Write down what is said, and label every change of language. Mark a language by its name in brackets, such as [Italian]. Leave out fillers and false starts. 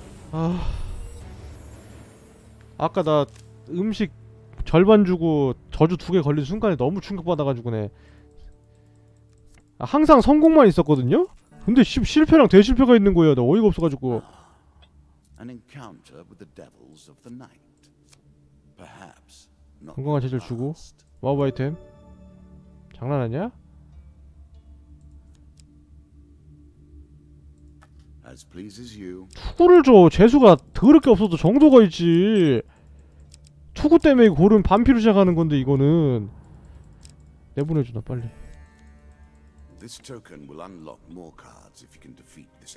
[Korean] 아 아까 나 음식 절반 주고 저주 두 개 걸린 순간에 너무 충격받아가지고 네 아, 항상 성공만 있었거든요? 근데 실패랑 대실패가 있는 거야. 나 어이가 없어가지고. [English] An encounter with the devils of the night. Perhaps not. [Korean] 건강한 체질 주고 마법 아이템 장난하냐? [English] As pleases you. [Korean] 투구를 줘. 재수가 더럽게 없어도 정도가 있지. 투구 때문에 고른 반피로 시작하는 건데 이거는 내보내 주나 빨리. [English] This token will unlock more cards if you can defeat this.